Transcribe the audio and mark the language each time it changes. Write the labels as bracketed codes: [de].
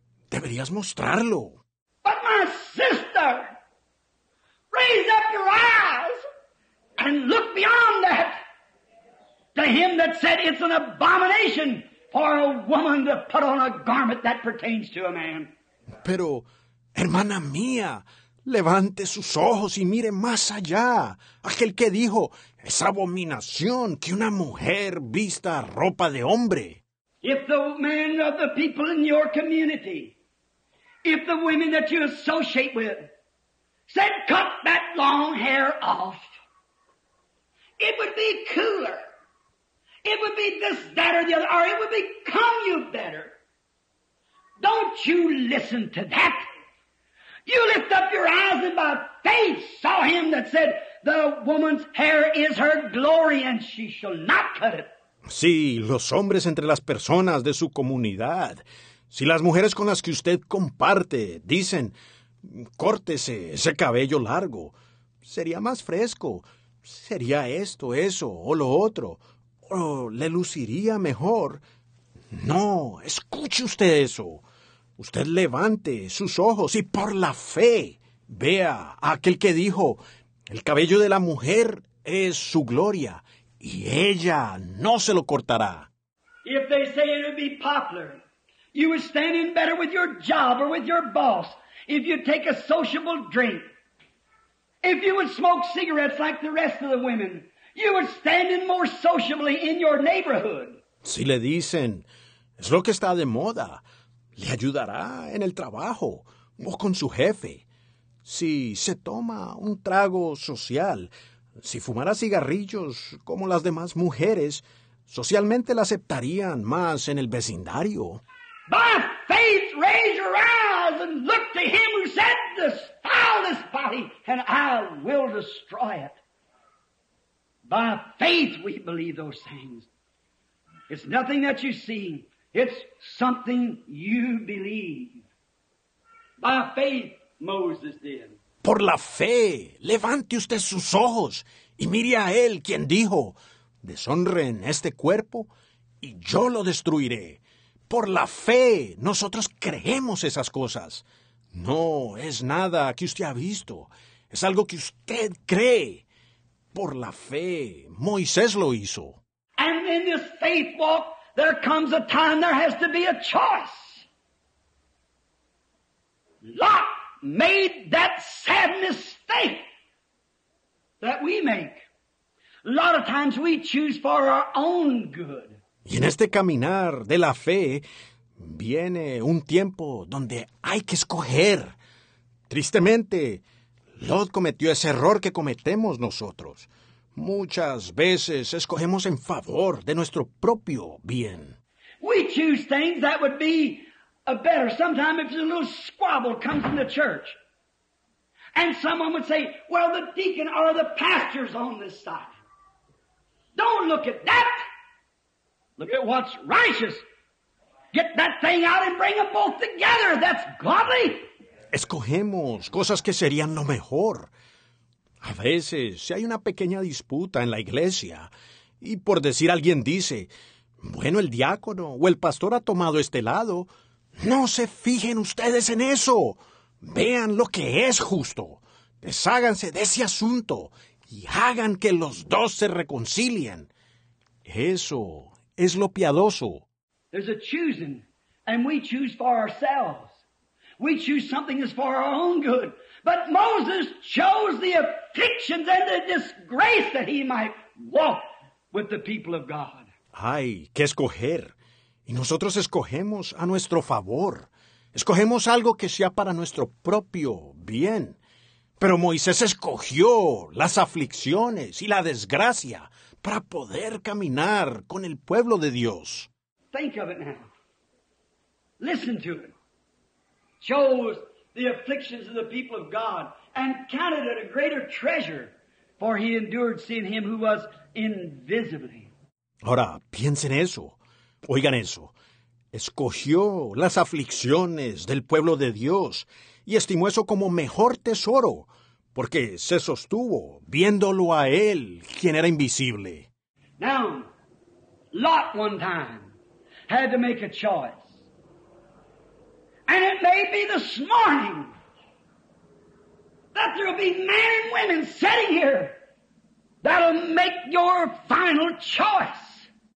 [es] Deberías mostrarlo. [en] But my sister, raise up your eyes and look beyond that. To him that said it's an abomination for a woman to put on a garment that pertains to a man. [es] Pero, hermana mía, levante sus ojos y mire más allá. Aquel que dijo, es abominación que una mujer vista ropa de hombre. [en] If the men of the people in your community, if the women that you associate with, said cut that long hair off, it would be cooler. It would be this, that, or the other, or it would become you better. Don't Don't you listen to that? You lift up your eyes and by faith saw him that said, the woman's hair is her glory and she shall not cut it. [es] Sí, los hombres entre las personas de su comunidad. Si las mujeres con las que usted comparte dicen, córtese ese cabello largo, sería más fresco. Sería esto, eso o lo otro. O le luciría mejor. No, escuche usted eso. Usted levante sus ojos y por la fe vea a aquel que dijo, el cabello de la mujer es su gloria y ella no se lo cortará. [en] If they say it would be popular, you would stand in better with your job or with your boss if you take a sociable drink. If you would smoke cigarettes like the rest of the women, you would stand in more sociably in your neighborhood. [es] Si le dicen, es lo que está de moda. Le ayudará en el trabajo o con su jefe. Si se toma un trago social, si fumara cigarrillos como las demás mujeres, socialmente la aceptarían más en el vecindario. [en] By faith, raise your eyes and look to him who said, "Defile this body, and I will destroy it." By faith, we believe those things. It's nothing that you see. It's something you believe. By faith, Moses did. [es] Por la fe, levante usted sus ojos y mire a él quien dijo, deshonren este cuerpo y yo lo destruiré. Por la fe, nosotros creemos esas cosas. No es nada que usted ha visto. Es algo que usted cree. Por la fe, Moisés lo hizo. [en] And in this faith walk, there comes a time there has to be a choice. Lot made that sad mistake that we make. A lot of times we choose for our own good. [es] Y en este caminar de la fe viene un tiempo donde hay que escoger. Tristemente, Lot cometió ese error que cometemos nosotros. Muchas veces escogemos en favor de nuestro propio bien. [en] We choose things that would be a better. Sometimes if a little squabble comes in the church, and someone would say, well, the deacon or the pastor's on this side. Don't look at that. Look at what's righteous. Get that thing out and bring them both together. That's godly. [es] Escogemos cosas que serían lo mejor. A veces, si hay una pequeña disputa en la iglesia, y por decir alguien dice, bueno, el diácono o el pastor ha tomado este lado, no se fijen ustedes en eso. Vean lo que es justo. Desháganse de ese asunto y hagan que los dos se reconcilien. Eso es lo piadoso. [en] There's a choosing, and we choose for ourselves. We choose something that's for our own good. But Moses chose the afflictions and the disgrace that he might walk with the people of God. [es] Ay, qué escoger. Y nosotros escogemos a nuestro favor. Escogemos algo que sea para nuestro propio bien. Pero Moisés escogió las aflicciones y la desgracia para poder caminar con el pueblo de Dios. [en] Think of it now. Listen to it. Chose the afflictions of the people of God and counted it a greater treasure, for he endured seeing him who was invisible. [es] Ahora, piensen eso. Oigan eso. Escogió las aflicciones del pueblo de Dios y estimó eso como mejor tesoro, porque se sostuvo viéndolo a él, quien era invisible. [en] Now, Lot one time had to make a choice. And it may be this morning that there will be men and women sitting here that'll make your final choice.